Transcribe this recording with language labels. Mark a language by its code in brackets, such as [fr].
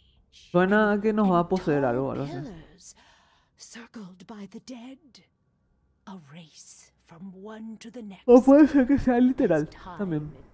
[es] Suena a que nos va a poseer algo, ¿no? [en] Circled by the dead, a race. [es] O puede ser que sea literal también.